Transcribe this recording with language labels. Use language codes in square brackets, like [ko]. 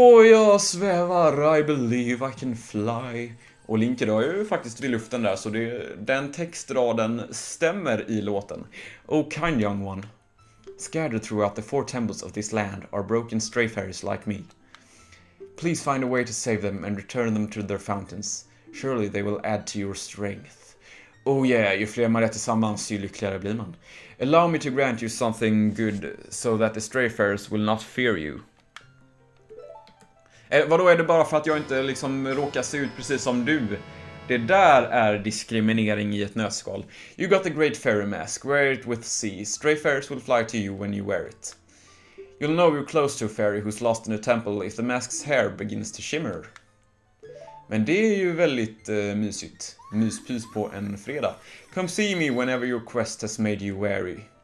[sv] Jag svävar, [en] I believe I can fly. [sv] Och Link då är ju faktiskt i luften där, så det, den textraden stämmer i låten. [en] Oh, kind young one. Scattered throughout the four temples of this land are broken stray fairies like me. Please find a way to save them and return them to their fountains. Surely they will add to your strength. [sv] Oh yeah, ju fler man är tillsammans, ju lyckligare blir man. [en] Allow me to grant you something good so that the stray fairies will not fear you. [sv] Vadå, är det bara för att jag inte liksom råkar se ut precis som du? Det där är diskriminering i ett nötskal. [en] You got the great fairy mask. Wear it with sea. Stray fairies will fly to you when you wear it. You'll know you're close to a fairy who's lost in a temple if the mask's hair begins to shimmer. [sv] Men det är ju väldigt mysigt. Myspys på en fredag. [en] Come see me whenever your quest has made you weary.